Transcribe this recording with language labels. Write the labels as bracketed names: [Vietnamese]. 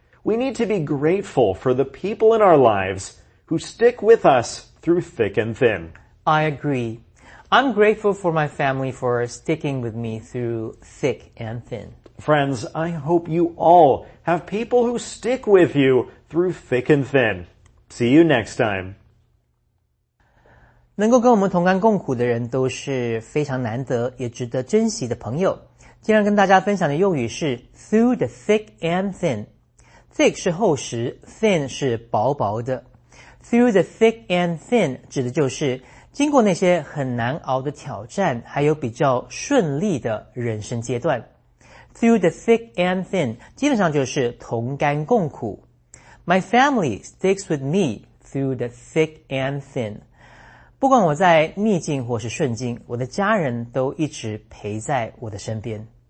[English] We need to be grateful for the people in our lives who stick with us through thick and thin. I agree. I'm grateful for my family for sticking with me through thick and thin. Friends, I hope you all have people who stick with you through thick and thin. See you next time. [Chinese] 能够跟我们同甘共苦的人都是非常难得也值得珍惜的朋友。今天跟大家分享的用语是 through the thick and thin。 Thick 是厚实 ,thin 是薄薄的。Through the thick and thin 指的就是经过那些很难熬的挑战还有比较顺利的人生阶段。 Through the thick and thin 基本上就是同甘共苦。 [English] My family sticks with me through the thick and thin。 [Chinese] 不管我在逆境或是顺境我的家人都一直陪在我的身边。